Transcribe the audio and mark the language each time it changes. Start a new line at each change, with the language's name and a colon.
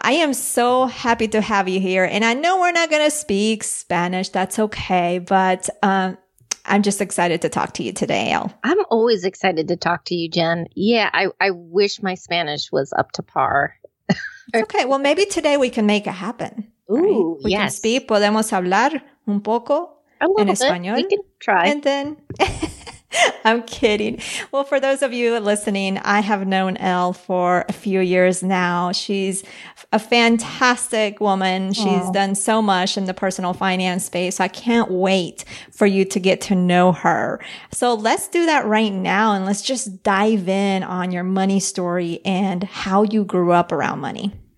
English: I am so happy to have you here. And I know we're not going to speak Spanish. That's okay. But I'm just excited to talk to you today, Elle. I'm always excited to talk to you, Jen. Yeah, I wish my Spanish was up to par. Okay. Well, maybe today we can make it happen. Ooh, right? We can speak.
Spanish: Podemos hablar un poco en español.
English: We can try. And then... I'm kidding. Well, for those of you listening, I have known Elle for a few years now. She's a fantastic woman. She's done so much in the personal finance space. I can't wait for you to get to know her. So let's do that right now. And let's just dive in on your money story and how you grew up around money.